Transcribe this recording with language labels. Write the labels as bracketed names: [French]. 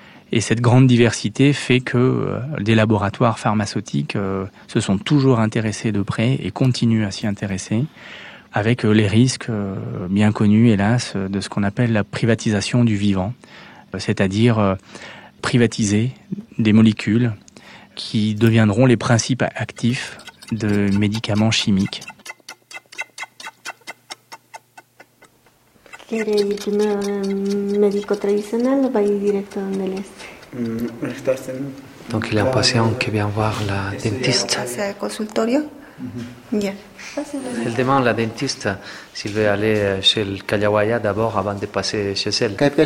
[French] Et cette grande diversité fait que des laboratoires pharmaceutiques se sont toujours intéressés de près et continuent à s'y intéresser, avec les risques bien connus, hélas, de ce qu'on appelle la privatisation du vivant, c'est-à-dire privatiser des molécules qui deviendront les principes actifs de médicaments chimiques. [Spanish] Quiere ir primero al médico tradicional o va a ir directo donde él es. [French] Donc il y a un patient qui vient voir la dentiste. C'est un consultorio. Bien. Elle demande à la dentiste s'il veut aller chez le Kayawaya d'abord avant de passer chez elle.